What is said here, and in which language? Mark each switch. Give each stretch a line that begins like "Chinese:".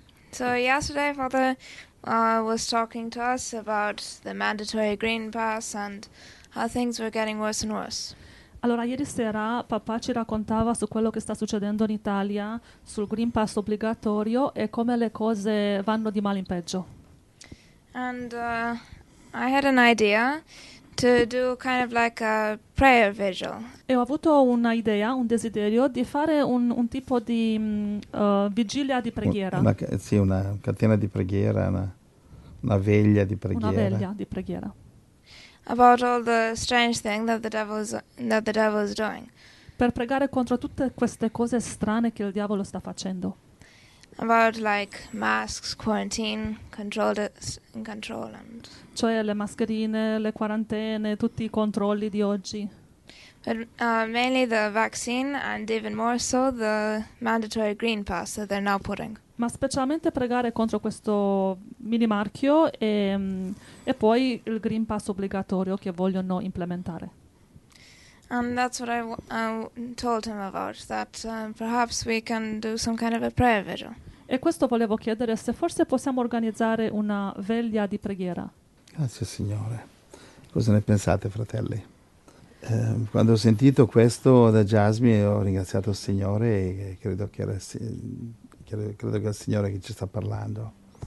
English: So yesterday Father was talking to us about the mandatory Green Pass and how things were getting worse and worse.
Italian: Allora, ieri sera papà ci raccontava su quello che sta succedendo in Italia, sul Green Pass obbligatorio e come le cose vanno di male in peggio.
English: And I had an idea to do kind of like a prayer vigil.
Italian: E ho avuto un'idea, un desiderio, di fare un tipo di vigilia di preghiera. Una catena di preghiera, una veglia di preghiera. Una veglia di preghiera.
English: About all the strange thing that the devil is doing.
Italian: Per pregare contro tutte queste cose strane che il diavolo sta facendo.
English: About like masks, quarantine, control and.
Italian: Cioè le mascherine, le quarantene, tutti i controlli di oggi.
English: But mainly the vaccine and even more so the mandatory green pass that they're now putting.
Italian: Ma specialmente pregare contro questo mini marchio e poi il Green Pass obbligatorio che vogliono implementare.
English: And that's what I told him about, that perhaps we can do some kind of a prayer vigil.
Italian: E questo volevo chiedere, se forse possiamo organizzare una veglia di preghiera. Grazie Signore. Cosa ne pensate, fratelli? Quando ho sentito questo da Jasmine, ho ringraziato il Signore e credo che è il Signore che ci sta parlando.